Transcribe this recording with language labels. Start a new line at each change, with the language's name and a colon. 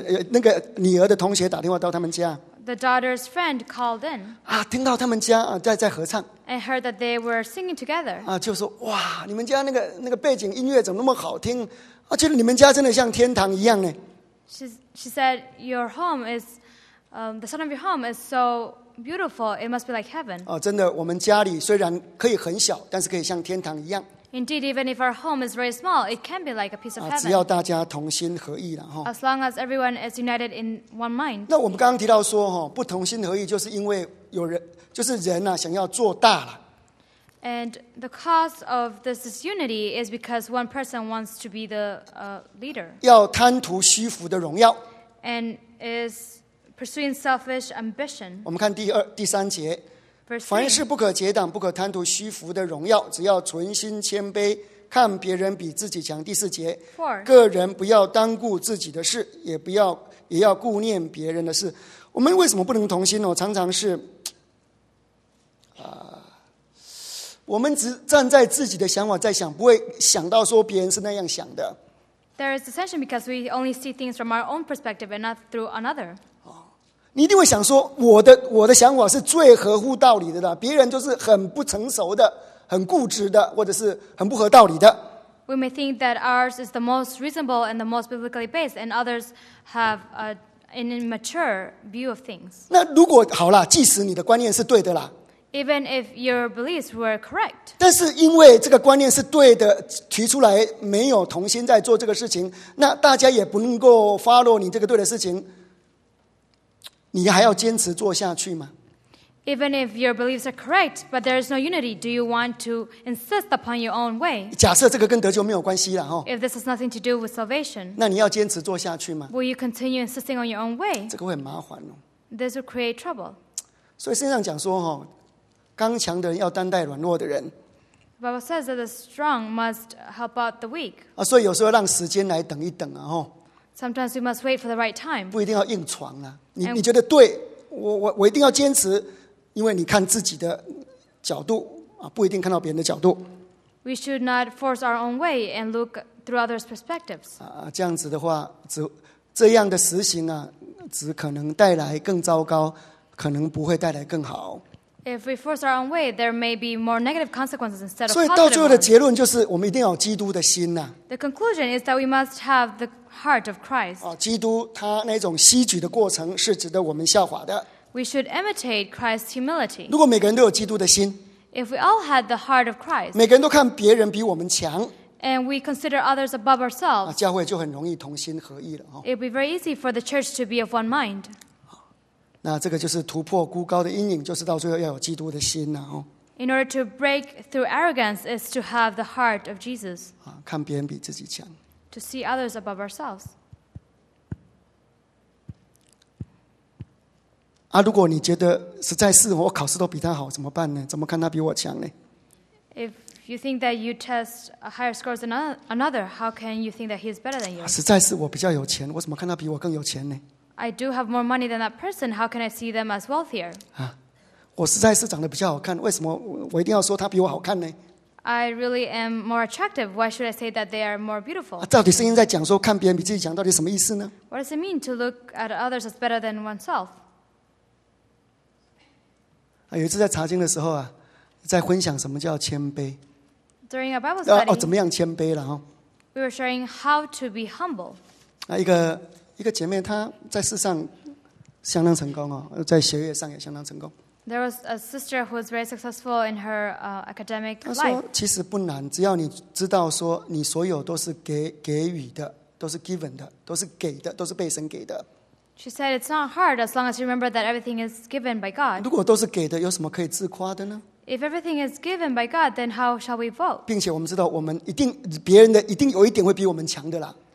Chinese: 那个女儿的同学打电话到他们家。
English: The daughter's friend called in.
Chinese: 听到他们家在合唱。
English: And heard that they were singing together.
Chinese: 就说哇，你们家那个背景音乐怎么那么好听？觉得你们家真的像天堂一样呢。
English: She said, "Your home is, the sound of your home is so beautiful. It must be like heaven."
Chinese: 真的，我们家里虽然可以很小，但是可以像天堂一样。
English: Indeed, even if our home is very small, it can be like a piece of heaven.
Chinese: 只要大家同心合意了。
English: As long as everyone is united in one mind.
Chinese: 那我们刚刚提到说，不同心合意就是因为有人，就是人想要做大了。
English: And the cause of this disunity is because one person wants to be the leader.
Chinese: 要贪图虚浮的荣耀。
English: And is pursuing selfish ambition.
Chinese: 我们看第三节。凡事不可结党，不可贪图虚浮的荣耀，只要存心谦卑，看别人比自己强。第四节，个人不要单顾自己的事，也要顾念别人的事。我们为什么不能同心呢？常常是，我们只站在自己的想法在想，不会想到说别人是那样想的。
English: There is dissension because we only see things from our own perspective and not through another.
Chinese: 你一定会想说我的想法是最合乎道理的，别人就是很不成熟的，很固执的，或者是很不合道理的。
English: We may think that ours is the most reasonable and the most biblically based, and others have an immature view of things.
Chinese: 那如果好了，即使你的观念是对的啦。
English: Even if your beliefs were correct.
Chinese: 但是因为这个观念是对的，提出来没有同心在做这个事情，那大家也不能够follow你这个对的事情。你还要坚持做下去吗
English: Even if your beliefs are correct, but there is no unity, do you want to insist upon your own way?
Chinese: 假设这个跟得救没有关系了，
English: If this has nothing to do with salvation,
Chinese: 那你要坚持做下去吗？
English: Will you continue insisting on your own way?
Chinese: 这个会很麻烦哦。
English: This will create trouble.
Chinese: 所以圣经讲说，刚强的人要担待软弱的人。
English: The Bible says that the strong must help out the weak.
Chinese: 所以有时候让时间来等一等啊， Sometimes we must wait for the right time. 不一定要硬闯啊，你觉得对，我一定要坚持。因为你看自己的角度不一定看到别人的角度。
English: We should not force our own way and look through others' perspectives.
Chinese: 这样子的话，这样的实行只可能带来更糟糕，可能不会带来更好。
English: If we force our own way, there may be more negative consequences instead of positive ones.
Chinese: 所以到最后的结论就是，我们一定要有基督的心。
English: The conclusion is that we must have the heart of Christ.
Chinese: 基督他那种吸取的过程是值得我们效法的。
English: We should imitate Christ's humility.
Chinese: 如果每个人都有基督的心，
English: If we all had the heart of Christ,
Chinese: 每个人都看别人比我们强，
English: and we consider others above ourselves,
Chinese: 教会就很容易同心合意了。
English: It would be very easy for the church to be of one mind.
Chinese: 那这个就是突破孤高的阴影，就是到最后要有基督的心了。
English: In order to break through arrogance is to have the heart of Jesus.
Chinese: 看别人比自己强，
English: to see others above ourselves.
Chinese: 如果你觉得实在是我考试都比他好，怎么办呢？怎么看他比我强呢？
English: If you think that you test a higher scores than another, how can you think that he is better than you?
Chinese: 实在是我比较有钱，我怎么看他比我更有钱呢？
English: I do have more money than that person. How can I see them as wealthier?
Chinese: 我实在是长得比较好看，为什么我一定要说他比我好看呢？
English: I really am more attractive. Why should I say that they are more beautiful?
Chinese: 到底圣经在讲说看别人比自己强，到底什么意思呢？
English: What does it mean to look at others as better than oneself?
Chinese: 有一次在查经的时候在分享什么叫谦卑。
English: During a Bible study,
Chinese: 怎么样谦卑了
English: ？We were sharing how to be humble.
Chinese: 一个姐妹她在世上相当成功在学业上也相当成功。
English: There was a sister who was very successful in her academic life.
Chinese: 她说其实不难，只要你知道说你所有都是给予的，都是 given 的，都是给的，都是被神给的。
English: She said it's not hard as long as you remember that everything is given by God.
Chinese: 如果都是给的，有什么可以自夸的呢？
English: If everything is given by God, then how shall we boast?
Chinese: 并且我们知道我们一定别人的一定有一点会比我们强的啦。